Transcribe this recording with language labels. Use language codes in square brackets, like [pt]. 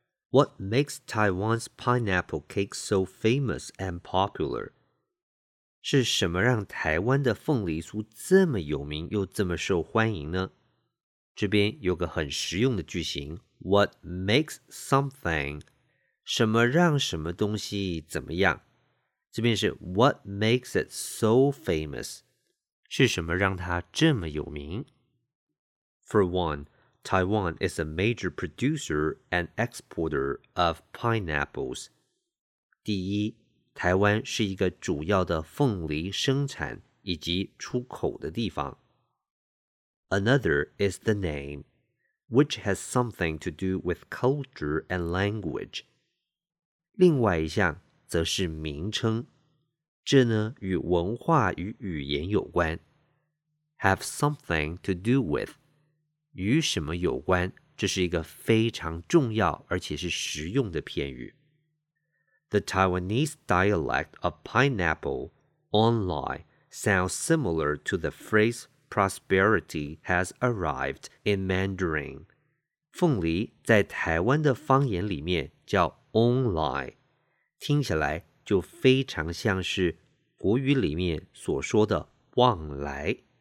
[en] What makes Taiwan's pineapple cake so famous and popular? [zh] 是什么让台湾的凤梨酥这么有名又这么受欢迎呢？这边有个很实用的句型 [en] What makes something? [zh] 什么让什么东西怎么样？这边是 [en] What makes it so famous? [zh] 是什么让它这么有名？ [en] For one,Taiwan is a major producer and exporter of pineapples. [zh] 第一，台湾是一个主要的凤梨生产以及出口的地方。 [en] Another is the name, which has something to do with culture and language. [zh] 另外一项则是名称，这呢与文化与语言有关。 [en] Have something to do with. [zh] 与什么有关？这是一个非常重要而且是实用的片语。 [en] The Taiwanese dialect of pineapple online sounds similar to the phrase prosperity has arrived in Mandarin. [zh] 凤梨在台湾的方言里面叫 online， 听起来就非常像是国语里面所说的往来。